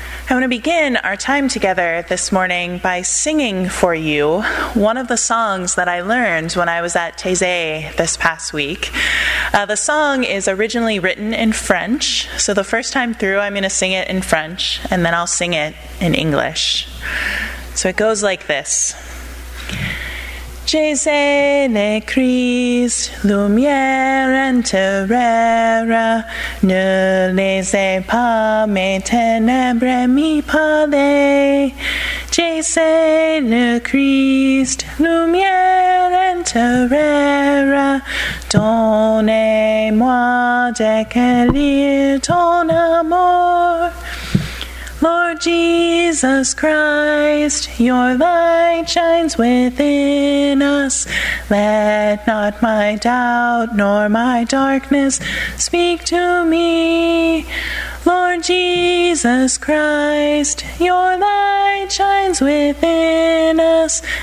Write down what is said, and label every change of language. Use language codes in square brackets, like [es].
[en] I want to begin our time together this morning by singing for you one of the songs that I learned when I was at Taizé this past week. The song is originally written in French, so the first time through I'm going to sing it in French, and then I'll sing it in English. So it goes like this. [fr] Jésus le Christ, lumière intérieure, ne laissez pas mes ténèbres m'y parler. Jésus le Christ, lumière intérieure, donnez-moi d'éclairer ton amour. [en] Lord Jesus Christ, your light shines within us. Let not my doubt nor my darkness speak to me. Lord Jesus Christ, your light shines within us.